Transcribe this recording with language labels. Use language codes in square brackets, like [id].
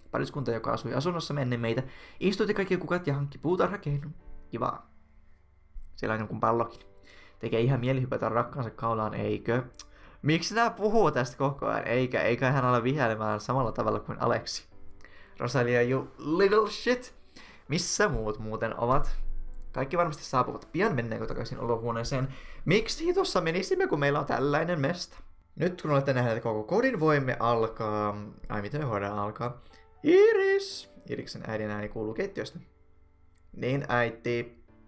[fi] Pariskunta, joka asui asunnossa ennen meitä, istutti kaikki kukat ja hankki puutarhakeinun. Kivaa. Siellä on jonkun pallokin. Tekee ihan mieli hypätä rakkaansa kaulaan, eikö? Miksi nämä puhuu tästä koko ajan? Eikä hän ala vihelemään samalla tavalla kuin Aleksi. [en] Rosalia, you little shit. [fi] Missä muut muuten ovat? Kaikki varmasti saapuvat. Pian menneekö takaisin olohuoneeseen? Miksi tuossa menisimme, kun meillä on tällainen mesta? Nyt kun olette nähneet koko kodin, voimme alkaa... Ai, miten me voidaan alkaa? Iris! Iriksen äidin ääni kuuluu keittiöstä. Niin, äiti.